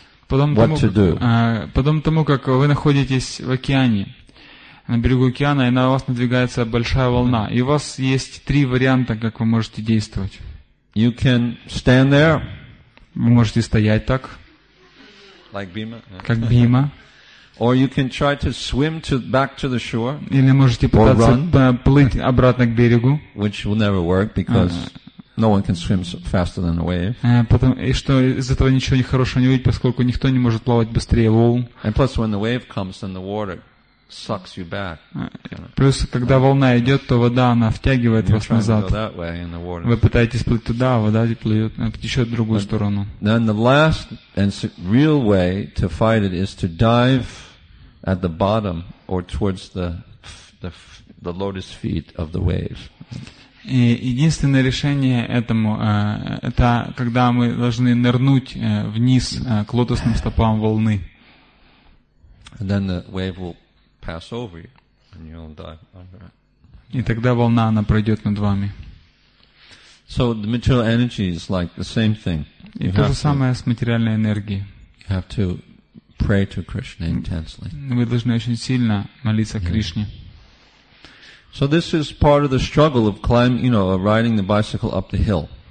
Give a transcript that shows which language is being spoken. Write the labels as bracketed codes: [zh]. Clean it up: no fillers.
[en] What to do? [ru] Потом тому, как вы находитесь в океане, на берегу океана, и на вас надвигается большая волна, и у вас есть три варианта, как вы можете действовать. [en] You can stand there. [ru] Вы можете стоять так. [en] Like Bhima. [ru] Как Бхима. [en] Or you can try to swim to back to the shore. [ru] Или можете пытаться плыть обратно к берегу. [en] Which will never work because no one can swim faster than a wave. [ru] Потом, и что из этого ничего нехорошего не выйдет, поскольку никто не может плавать быстрее волн. [en] And plus, when the wave comes, then the water sucks you back. [ru] Плюс, когда волна идет, то вода она втягивает вас назад. Вы пытаетесь плыть туда, а вода плывет, течет в другую сторону. [en] Then the last and real way to fight it is to dive at the bottom or towards the lotus feet of the wave. [ru] И единственное решение этому это когда мы должны нырнуть вниз к лотосным стопам волны. [en] And then the wave will pass over you, and you'll dive under it. [ru] И тогда волна она пройдет над вами. [en] So the material energy is like the same thing. [ru] И то же самое с материальной энергией. [en] You have to pray to Krishna intensely. [ru] Вы должны очень сильно молиться Кришне. [en] So this is part of the struggle of climbing, you know, of riding the bicycle up the hill.